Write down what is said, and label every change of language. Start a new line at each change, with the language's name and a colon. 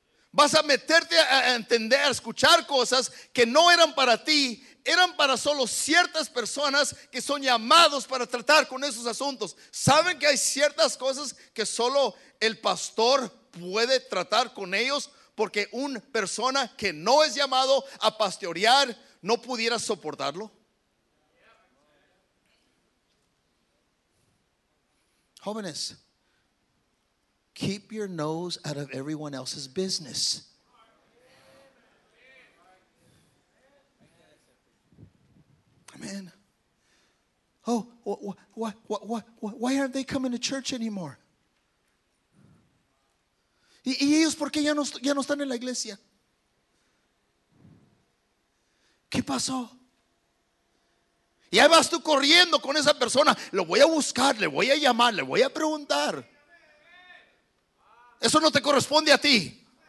Spanish: Vas a meterte a entender, a escuchar cosas que no eran para ti, eran para solo ciertas personas que son llamados para tratar con esos asuntos. ¿Saben que hay ciertas cosas que solo el pastor puede tratar con ellos? Porque una persona que no es llamado a pastorear no pudiera soportarlo.
English: Jóvenes, keep your nose out of everyone else's business. Amen. Oh, why aren't they coming to church anymore?
Spanish: ¿Y ellos por qué ya no están en la iglesia? ¿Qué pasó? Y ahí vas tú corriendo con esa persona. Lo voy a buscar, le voy a llamar, le voy a preguntar. Eso no te corresponde a ti.